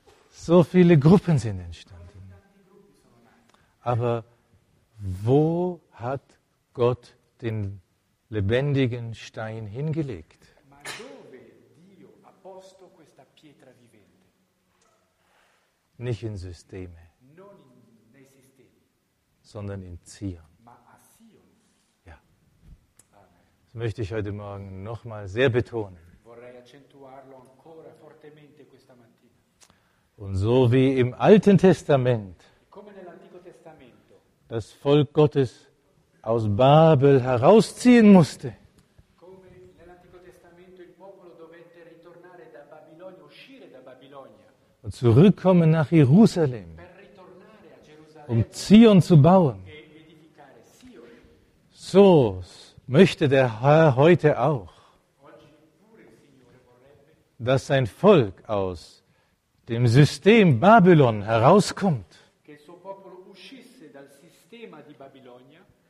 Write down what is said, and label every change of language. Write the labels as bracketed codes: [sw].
[de] So viele Gruppen sind entstanden. Aber wo hat Gott den lebendigen Stein hingelegt? [it] Ma dove Dio ha posto questa pietra vivente? [de] Nicht in Systeme, [it] non in, nei sistemi, [de] sondern in Zion. [it] Ma a Sion. [de] Ja. Amen. Das möchte ich heute Morgen nochmal sehr betonen. [it] Vorrei accentuarlo ancora fortemente questa mattina. [de] Und so wie im Alten Testament, [it] come nell'Antico Testamento, [de] das Volk Gottes aus Babel herausziehen musste. [it] Come nell'Antico Testamento il popolo dovette ritornare da Babilonia, uscire da Babilonia. [de] Und zurückkommen nach Jerusalem. [it] Per ritornare a Gerusalemme. [de] Um Zion zu bauen. [it] E edificare Zion. [de] So möchte der Herr heute auch. [it] Oggi pure il Signore vorrebbe, [de] dass sein Volk aus dem System Babylon herauskommt. [it] Che il suo popolo uscisse dal sistema di Babilonia.